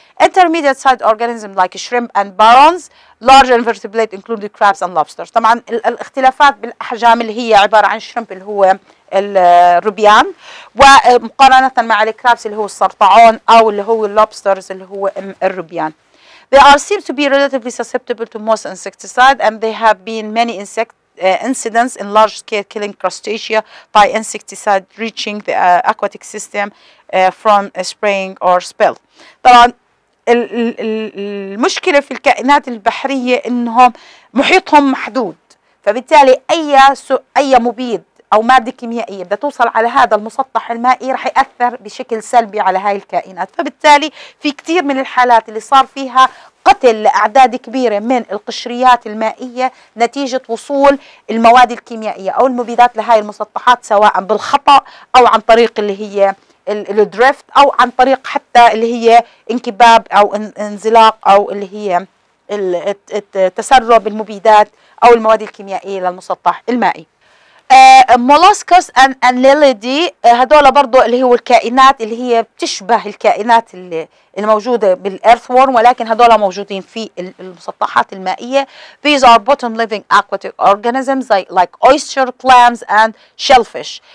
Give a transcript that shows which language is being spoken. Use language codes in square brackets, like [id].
[en] Intermediate side organism like shrimp and prawns, large invertebrate include crabs and lobsters. [ar] طبعا الاختلافات بالاحجام اللي هي عباره عن شريمب اللي هو الروبيان، ومقارنه مع الكرابس اللي هو السرطعون، او اللي هو اللوبسترز اللي هو الروبيان. [en] They are seem to be relatively susceptible to most insecticides, and they have been many insect incidents in large scale killing crustacea by insecticide reaching the aquatic system from spraying or spill. [ar] طبعا المشكلة في الكائنات البحرية انهم محيطهم محدود، فبالتالي اي مبيد او ماده كيميائيه بدها توصل على هذا المسطح المائي رح ياثر بشكل سلبي على هاي الكائنات. فبالتالي في كثير من الحالات اللي صار فيها قتل لاعداد كبيره من القشريات المائيه نتيجه وصول المواد الكيميائيه او المبيدات لهاي المسطحات، سواء بالخطا او عن طريق اللي هي الدريفت او عن طريق حتى اللي هي انكباب او انزلاق او اللي هي التسرب المبيدات او المواد الكيميائيه للمسطح المائي. مولوسكوس ان ليلدي هذول برضو اللي هو الكائنات اللي هي بتشبه الكائنات اللي الموجوده بالايرث وورم، ولكن هذول موجودين في المسطحات المائيه. [en] These are bottom living aquatic organisms like oyster clams and shellfish.